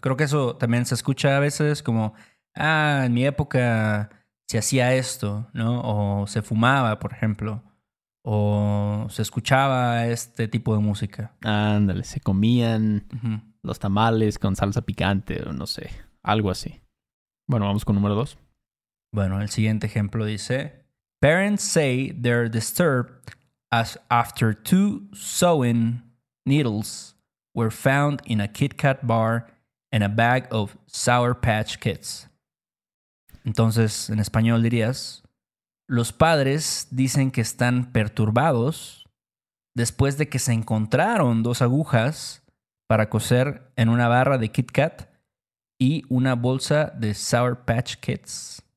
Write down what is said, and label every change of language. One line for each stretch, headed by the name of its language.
Spanish: Creo que eso también se escucha a veces como, ah, en mi época se hacía esto, ¿no? O se fumaba, por ejemplo. O se escuchaba este tipo de música. Ándale, se comían los tamales con salsa picante o no sé, algo así. Bueno, vamos con número dos. Bueno, el siguiente ejemplo dice:
English: parents say they're disturbed as after two sewing needles were found in a Kit Kat bar and a bag of Sour Patch Kids.
Spanish: Entonces, en español dirías: los padres dicen que están perturbados después de que se encontraron dos agujas para coser en una barra de Kit Kat y una bolsa de Sour Patch Kids.